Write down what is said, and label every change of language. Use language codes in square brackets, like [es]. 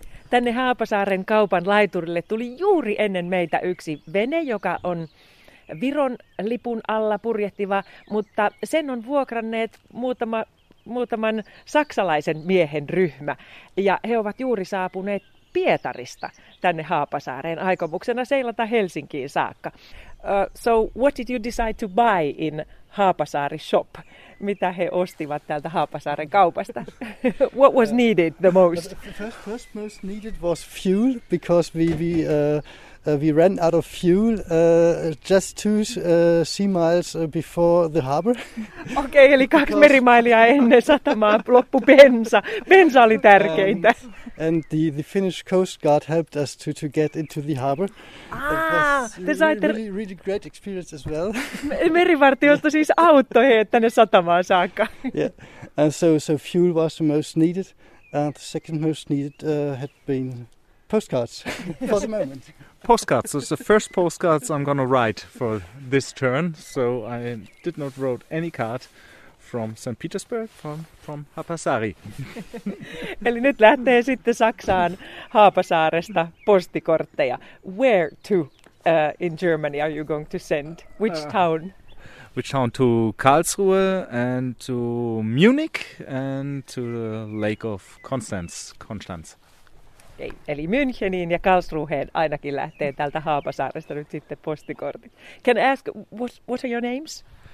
[fi] Tänne Haapasaaren kaupan laiturille tuli juuri ennen meitä yksi vene, joka on Viron lipun alla purjehtiva, mutta sen on vuokranneet muutaman saksalaisen miehen ryhmä. Ja he ovat juuri saapuneet Pietarista tänne Haapasaareen aikomuksena seilata Helsinkiin saakka. [en] So what did you decide to buy in Haapasaari shop? [fi] Mitä he ostivat täältä Haapasaaren kaupasta? [en] What was needed the most? First most needed was fuel, because we ran out of fuel just 2 sea miles before the harbor. [fi] Okei, eli 2 merimailia ennen satamaa loppu bensa. Bensa oli tärkeintä. [en] And the Finnish Coast Guard helped us to get into the harbor. It was really great experience as well. [fi] Merivartiosto siis auttoi heitä tänne satamaan saakka. [en] Yeah. And so fuel was the most needed, and the second most needed had been postcards for the moment. Postcards. So it's the first postcards I'm gonna write for this turn. So I did not wrote any card from St. Petersburg, from Haapasaari. [fi] Eli nyt lähtee sitten Saksaan Haapasaaresta postikortteja. [en] Where to in Germany are you going to send? Which town? Which town? To Karlsruhe and to Munich and to the Lake of Konstanz. [fi] Eli Müncheniin ja Karlsruheen ainakin lähtee täältä Haapasaaresta nyt sitten postikortit. [en] Can I ask, what are your names?